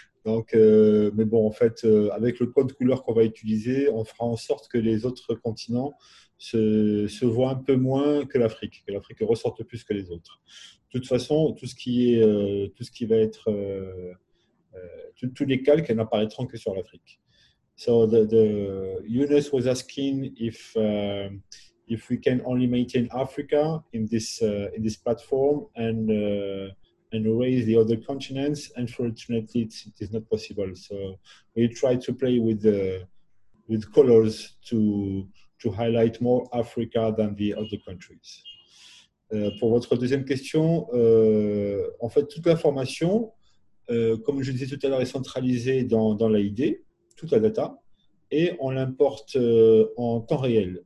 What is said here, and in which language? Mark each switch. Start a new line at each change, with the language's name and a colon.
French: Donc, mais bon, en fait, avec le code couleur qu'on va utiliser, on fera en sorte que les autres continents se voient un peu moins que l'Afrique ressorte plus que les autres. De toute façon, tous les calques n'apparaîtront que sur l'Afrique.
English: So the Younes was asking if we can only maintain Africa in this platform and erase the other continents. Unfortunately, it is not possible. So we try to play with colors to highlight more Africa than the other countries.
French: Pour votre deuxième question, en fait, toute l'information, comme je disais tout à l'heure, est centralisée dans l'AID, toute la data, et on l'importe en temps réel.